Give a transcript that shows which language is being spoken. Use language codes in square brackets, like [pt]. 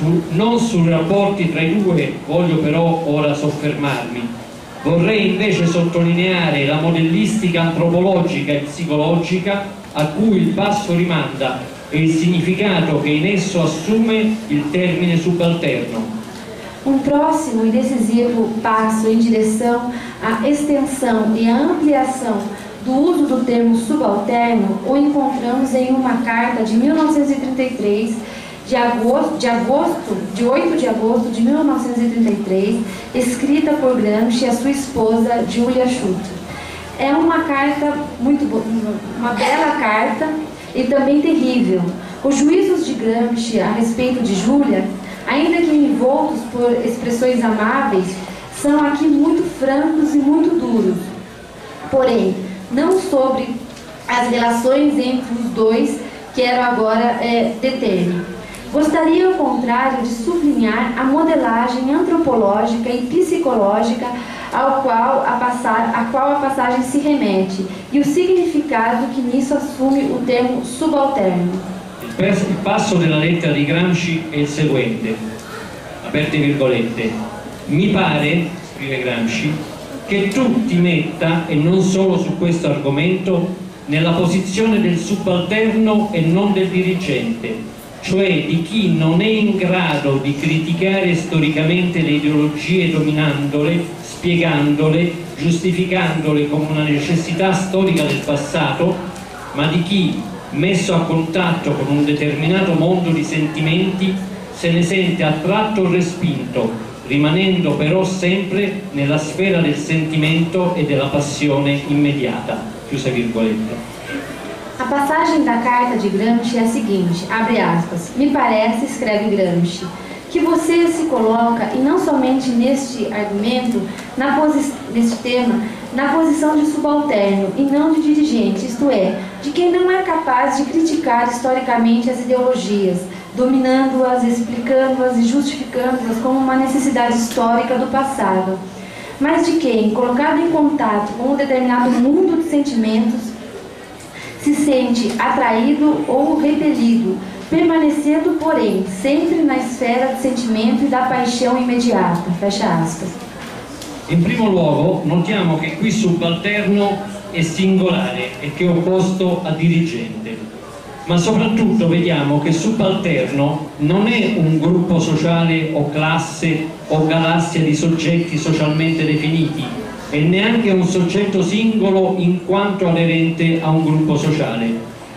[it] Non sui rapporti tra i due voglio però ora soffermarmi. Vorrei invece sottolineare la modellistica antropologica e psicologica a cui il passo rimanda e il significato che in esso assume il termine subalterno. [pt] Um próximo e decisivo passo em direção à extensão e à ampliação do uso do termo subalterno o encontramos em uma carta de 1933, de 8 de agosto de 1933, escrita por Gramsci à sua esposa Julia Schutt. É uma carta muito boa, uma bela carta e também terrível. Os juízos de Gramsci a respeito de Julia, ainda que envoltos por expressões amáveis, são aqui muito francos e muito duros. Porém, não sobre as relações entre os dois, quero agora deter-me. Gostaria, ao contrário, de sublinhar a modelagem antropológica e psicológica a qual a passagem se remete e o significado que nisso assume o termo subalterno. [it] Il passo della lettera di Gramsci è il seguente, aperte virgolette. Mi pare, scrive Gramsci, che tu ti metta, e non solo su questo argomento, nella posizione del subalterno e non del dirigente, cioè di chi non è in grado di criticare storicamente le ideologie dominandole, spiegandole, giustificandole come una necessità storica del passato, ma di chi, messo a contatto con un determinato mondo di sentimenti, se ne sente attratto o respinto, rimanendo però sempre nella sfera del sentimento e della passione immediata. Chiusa virgolette. [pt] A passagem da carta de Gramsci é a seguinte, abre aspas, me parece, escreve Gramsci, que você se coloca, e não somente neste argumento, neste tema, na posição de subalterno e não de dirigente, isto é, de quem não é capaz de criticar historicamente as ideologias, dominando-as, explicando-as e justificando-as como uma necessidade histórica do passado, mas de quem, colocado em contato com um determinado mundo de sentimentos, se sente atraído ou repelido, permanecendo, porém, sempre na esfera do sentimento e da paixão imediata. Fecha aspas. [it] Em primo luogo, notiamo che qui subalterno è singolare e che è opposto a dirigente. Ma soprattutto vediamo che subalterno non è un gruppo sociale o classe o galassia di soggetti socialmente definiti, e neanche un soggetto singolo in quanto aderente a un gruppo sociale.